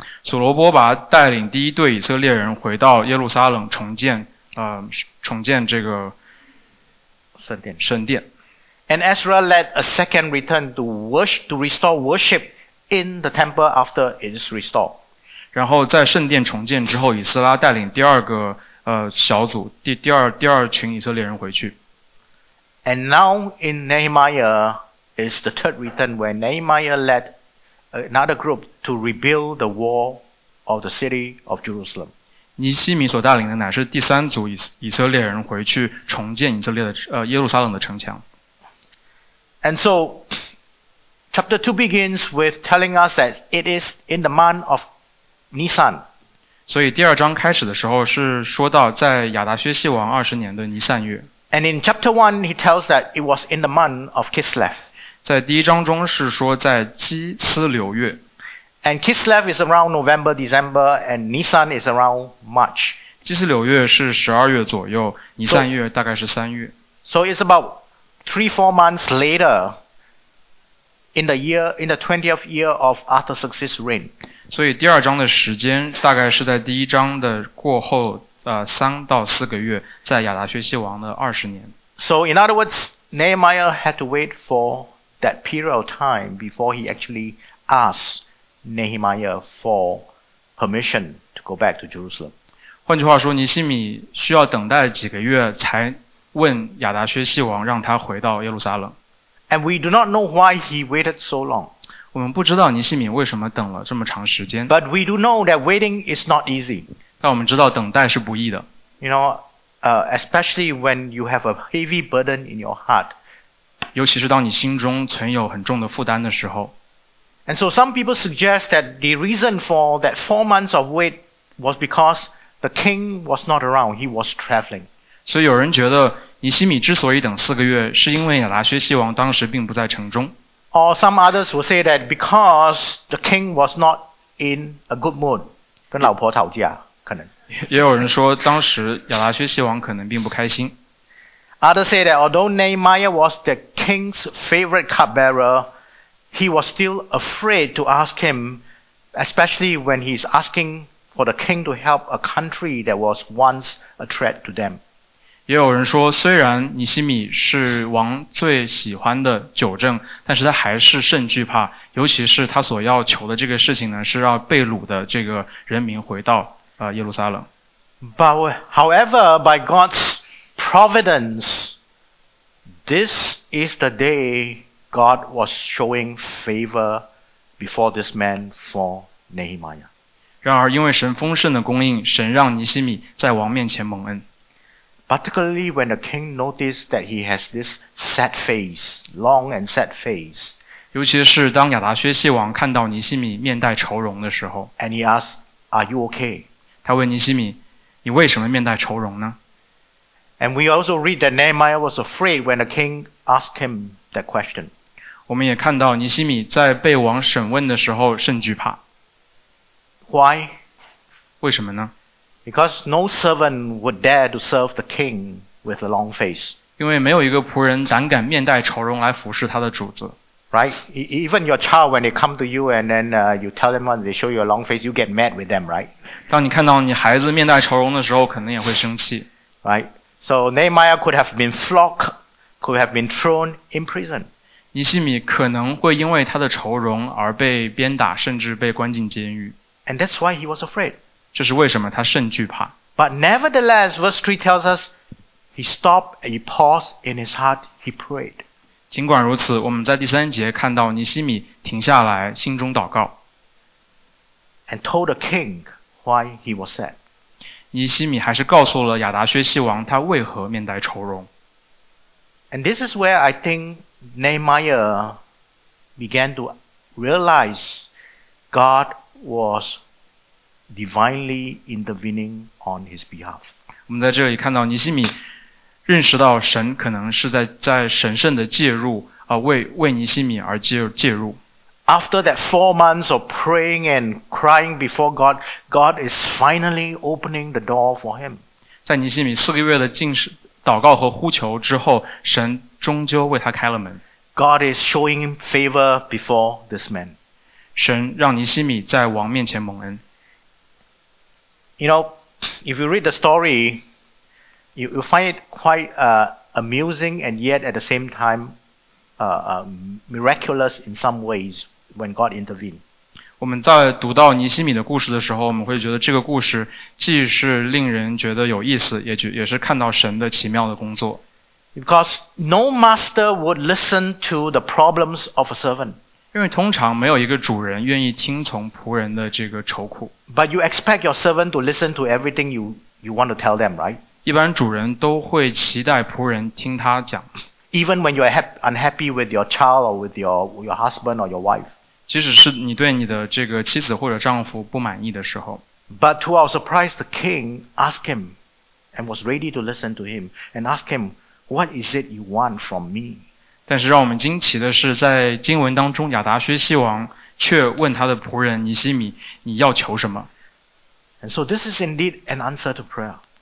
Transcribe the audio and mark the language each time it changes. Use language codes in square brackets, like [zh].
[zh] 所罗波把带领第一队以色列人回到耶路撒冷重建这个圣殿。 [en] And Ezra led a second return to restore worship in the temple after it is restored. [zh] 然后在圣殿重建之后，以斯拉带领第二个小组第二群以色列人回去。 [en] And now in Nehemiah is the third return where Nehemiah led another group to rebuild the wall of the city of Jerusalem. [zh] 尼希米所带领的乃是第三组以色列人回去重建以色列的耶路撒冷的城墙。 [en] And so chapter 2 begins with telling us that it is in the month of Nisan. [zh] 所以第二章开始的时候是说到在亚达薛西王二十年的尼散月。 [en] And in chapter 1, he tells that it was in the month of Kislev. [zh] 在第一章中是说在基斯流月。 [en] And Kislev is around November, December, and Nisan is around March. [zh] 基斯流月是12月左右，尼散月大概是3月。 [en] So it's about 3-4 months later, in the 20th year of Artaxerxes' reign. [zh] 所以第二章的时间大概是在第一章的过后三到四个月，在亚达薛西王的二十年。 [en] So in other words, Nehemiah had to wait for that period of time before he actually asked Nehemiah for permission to go back to Jerusalem. [zh] 换句话说，尼希米需要等待几个月才问亚达薛西王让他回到耶路撒冷。 [en] And we do not know why he waited so long. [zh] 我们不知道尼希米为什么等了这么长时间。 [en] But we do know that waiting is not easy. [zh] 但我们知道等待是不易的。 [en] You know, especially when you have a heavy burden in your heart. [zh] 尤其是当你心中存有很重的负担的时候。 [en] And so some people suggest that the reason for that 4 months of wait was because the king was not around, he was traveling. [zh] 所以有人觉得尼希米之所以等四个月是因为亚达薛西王当时并不在城中。 [en] Or some others will say that because the king was not in a good mood, [zh] 跟老婆吵架。也有人说当时亚达薛西王可能并不开心。 [en] Others say that although Nehemiah was the king's favorite cupbearer, he was still afraid to ask him, especially when he's asking for the king to help a country that was once a threat to them. [zh] 也有人说虽然尼希米是王最喜欢的酒政，但是他还是甚惧怕，尤其是他所要求的这个事情呢，是让被掳的这个人民回到耶路撒冷。 [en] But however, by God's providence, this is the day God was showing favor before this man for Nehemiah. [zh] 然而因为神丰盛的供应，神让尼希米在王面前蒙恩。 [en] Particularly when the king noticed that he has this sad face, long and sad face. [zh] 尤其是当亚达薛西王看到尼希米面带愁容的时候。 [en] And he asked, are you okay? [zh] 他问尼希米，你为什么面带愁容呢？ [en] And we also read that Nehemiah was afraid when the king asked him that question. [zh] 我们也看到尼希米在被王审问的时候甚惧怕。 [en] Why? [zh] 为什么呢？ [en] Because no servant would dare to serve the king with a long face. [zh] 因为没有一个仆人胆敢面带愁容来服侍他的主子。 [en] Right? Even your child, when they come to you and then you tell them, they show you a long face, you get mad with them, right? [zh] 当你看到你孩子面带愁容的时候，可能也会生气。 [en] Right? So Nehemiah could have been flogged, could have been thrown in prison. [zh] 尼希米可能会因为他的愁容而被鞭打，甚至被关进监狱。 [en] And that's why he was afraid. [zh] 这是为什么他甚惧怕。 [en] But nevertheless, verse 3 tells us, he stopped, he paused in his heart, he prayed. [zh] 尽管如此，我们在第三节看到尼希米停下来，心中祷告。 [en] And told the king why he was sad. [zh] 尼希米还是告诉了亚达薛西王他为何面带愁容。 [en] And this is where I think Nehemiah began to realize God was divinely intervening on his behalf. [zh] 我们在这里看到尼希米认识到神可能是 在神圣的介入、为尼希米而介入。 [en] After that 4 months of praying and crying before God, God is finally opening the door for him. [zh] 在尼希米四个月的进食祷告和呼求之后，神终究为他开了门。 [en] God is showing favor before this man. [zh] 神让尼希米在王面前蒙恩。 [en] You know, if you read the story,You find it quite amusing and yet at the same time miraculous in some ways when God intervened. [zh] 我们在读到尼希米的故事的时候，我们会觉得这个故事既是令人觉得有意思，也是看到神的奇妙的工作。 [en] Because no master would listen to the problems of a servant. [zh] 因为通常没有一个主人愿意听从仆人的这个愁苦。 [en] But you expect your servant to listen to everything you want to tell them, right? [zh] 一般主人都会期待仆人听他讲。 [en] Even when you are unhappy with your child or with your husband or your wife. [zh] 即使是你对你的这个妻子或者丈夫不满意的时候。 [en] But to our surprise, the king asked him and was ready to listen to him and asked him, What is it you want from me? [zh] 但是让我们惊奇的是，在经文当中，亚达薛西王却问他的仆人尼西米，你要求什么？ [en] And so this is indeed an answer to prayer.